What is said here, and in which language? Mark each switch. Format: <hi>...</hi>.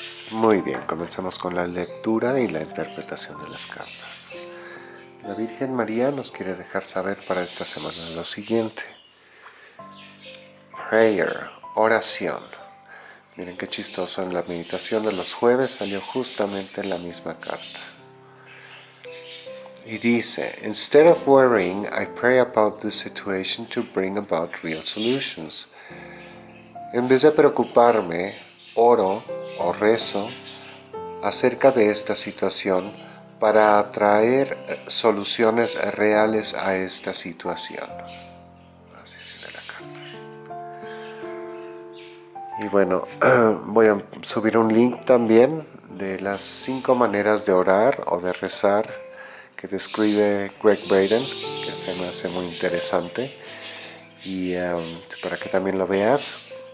<es>Muy bien, comenzamos con la lectura y la interpretación de las cartas. La Virgen María nos quiere dejar saber para esta semana lo siguiente. Prayer, oración. Miren qué chistoso, en la meditación de los jueves salió justamente la misma carta. Y dice,</es> <en>instead of worrying, I pray about this situation to bring about real solutions.</en> <es>En vez de preocuparme, oro o rezo acerca de esta situación para atraer soluciones reales a esta situación. Así sigue la carta. Y bueno, voy a subir un link también de las 5 maneras de orar o de rezar que describe Greg Braden, que se me hace muy interesante, y para que también lo veas.</es>